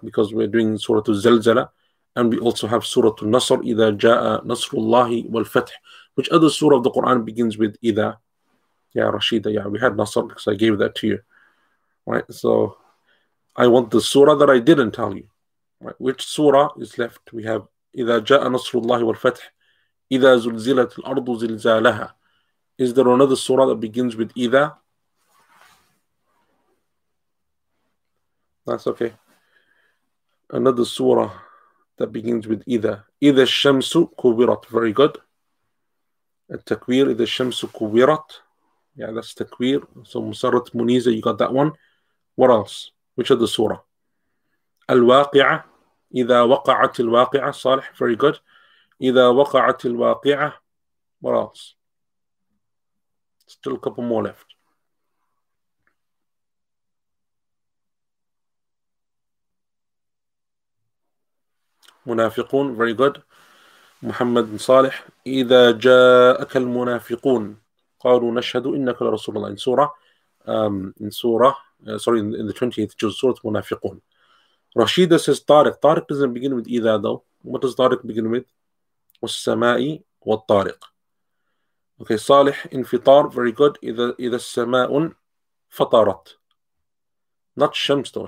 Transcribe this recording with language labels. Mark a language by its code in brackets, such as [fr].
[en] Because we're doing Surah Al-Zalzala, and we also have Surah Al-Nasr, [ar] Ida Ja'a Nasrullahi Wal-Fatih. [en] Which other surah of the Quran begins with Ida? Yeah, Rashida, yeah, we had Nasr because I gave that to you. Right, so I want the surah that I didn't tell you. Right, which surah is left? [ar] We have إِذَا جَاءَ نَصْرُ اللَّهِ وَالْفَتْحِ إِذَا زُلْزِلَتِ الْأَرْضُ زِلْزَالَهَا. [en] Is there another surah that begins with إِذَا? That's okay. Another surah that begins with إِذَا. [ar] إِذَا الشَّمْسُ كُوِّرَتْ. [en] Very good. [ar] التَّكْوِير. إِذَا الشَّمْسُ كُوِّرَتْ. [en] Yeah, that's تَكْوِير. [ar] So مُسَرَّتْ مُنِيزَة. [en] You got that one. What else? Which of the surah? Al-Waqi'ah. [ar] Ida waqa'at al-Waqi'ah. [en] Salih. Very good. [ar] إذا وقعت الواقعة. [en] What else? Still a couple more left. [ar] منافقون. [en] Very good. [ar] محمد بن صالح. إذا جاءك المنافقون قالوا نشهد إنك لرسول الله. [en] In the 28th juz, Surah Munafiqun. Rashida says Tariq. Tariq doesn't begin with Ida though. What does Tariq begin with? [ar] Was-samai wa-tariq. [en] Okay, Salih, infitar, very good. [ar] Ida samaun fatarat. [en] Not shams though.